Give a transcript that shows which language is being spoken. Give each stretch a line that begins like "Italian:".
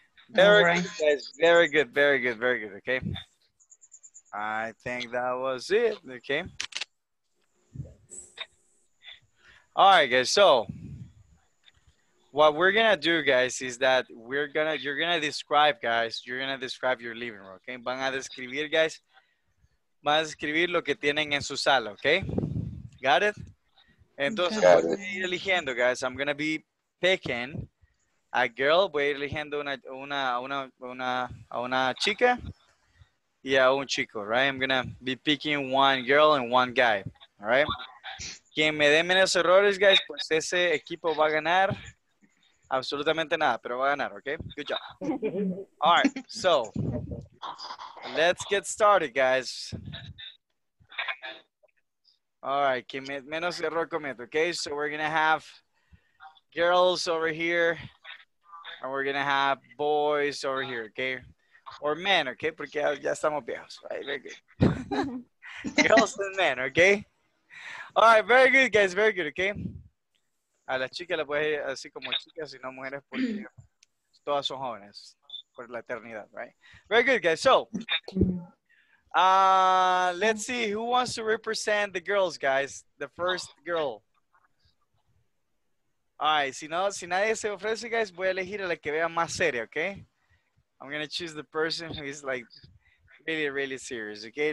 English: Very good, guys. Okay. I think that was it. Okay. All right, guys. So, what we're gonna do, guys, is that you're gonna describe your living room. Okay.
Spanish: Van a describir, guys, lo que tienen en su sala.
English: Okay. Got it?
Spanish: Entonces, voy eligiendo,
English: guys. I'm gonna be picking a girl,
Spanish: voy eligiendo una chica y a un chico, right?
English: I'm gonna be picking one girl and one guy, all right?
Spanish: Quien me dé menos errores, guys, pues ese equipo va a ganar absolutamente nada, pero va a ganar, okay?
English: Good job. All right, so let's get started, guys. All right,
Spanish: quien menos error cometa,
English: okay? So we're gonna have girls over here. And we're going to have boys over here, okay? Or men, okay?
Spanish: Porque ya estamos viejos,
English: right? Very good. Girls and men, okay? All right, very good, guys. Very good, okay?
Spanish: A las chicas las puedes así como chicas y no mujeres porque todas son jóvenes por la eternidad, right?
English: Very good, guys. So, let's see. Who wants to represent the girls, guys? The first girl. All right,
Spanish: si nadie se ofrece, guys, voy a elegir a la que vea más seria, okay?
English: I'm going to choose the person who is, like, really, really serious, okay?